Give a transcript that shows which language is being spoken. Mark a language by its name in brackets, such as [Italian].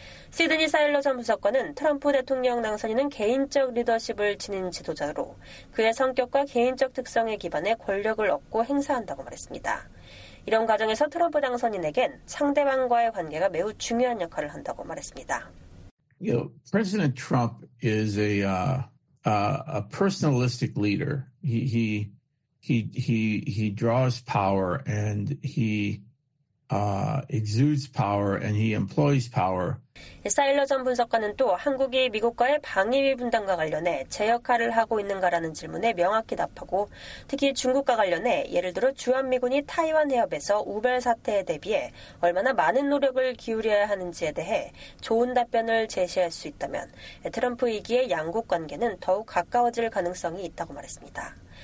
[Korean] 시드니 사일러 전 부석관은 트럼프 대통령 당선인은 개인적 리더십을 지닌 지도자로 그의 성격과 개인적 특성에 기반해 권력을 얻고 행사한다고 말했습니다. 이런 과정에서 트럼프 당선인에겐 상대방과의 관계가 매우 중요한 역할을 한다고 말했습니다. [English] You know, President Trump is a personalistic leader. He draws power and he exudes power and he employs power. [Korean] 사일러 전 분석관은 또 한국이 미국과의 방위비 분담과 관련해 제 역할을 하고 있는가라는 질문에 명확히 답하고 특히 중국과 관련해 예를 들어 주한미군이 타이완 해협에서 우발 사태에 대비해 얼마나 많은 노력을 기울여야 하는지에 대해 좋은 답변을 제시할 수 있다면 트럼프 이기의 양국 관계는 더욱 가까워질 가능성이 있다고 말했습니다.